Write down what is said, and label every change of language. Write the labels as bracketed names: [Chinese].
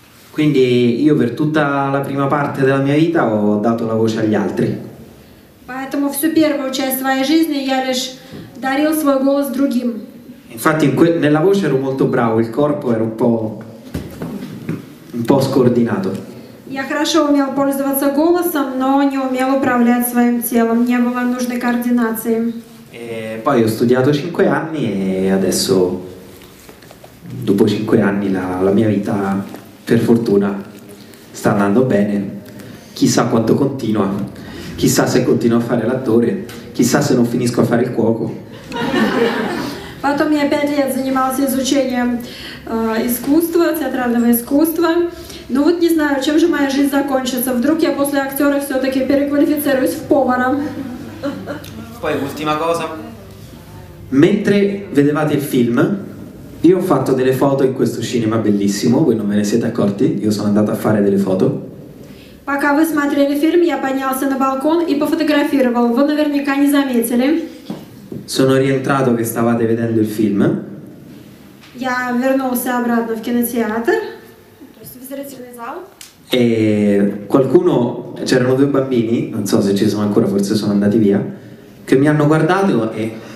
[Italian] Quindi io per tutta la prima parte della mia vita ho dato la voce agli altri. [Russian] Поэтому всю первую часть своей жизни я лишь дарил свой голос другим. [Italian] Infatti nella voce ero molto bravo, il corpo era un po' scoordinato. [Russian] Я хорошо умел пользоваться голосом, но не умел управлять своим телом, не было нужной координации. [Italian] E poi ho studiato 5 anni e adesso, dopo 5 anni, la mia vita... Per fortuna sta andando bene, chissà quanto continua, chissà se continuo a fare l'attore, chissà se non finisco a fare il cuoco. [Russian] Потом я 5 лет занимался изучением искусства, театрального искусства. Ну вот не знаю, чем же моя жизнь закончится. Вдруг я после актера все-таки переквалифицируюсь в повара. [Italian] Poi ultima cosa. Mentre vedevate il film, io ho fatto delle foto in questo cinema bellissimo, voi non ve ne siete accorti? Io sono andato a fare delle foto. [Russian] Пока вы смотрели фильм, я поднялся на балкон и пофотографировал. Вы наверняка не заметили. [Italian] Sono rientrato che stavate vedendo il film. [Russian] Я вернулся обратно в кинотеатр. То есть в зрительный зал. [Italian] E qualcuno, c'erano due bambini, non so se ci sono ancora, forse sono andati via, che mi hanno guardato e...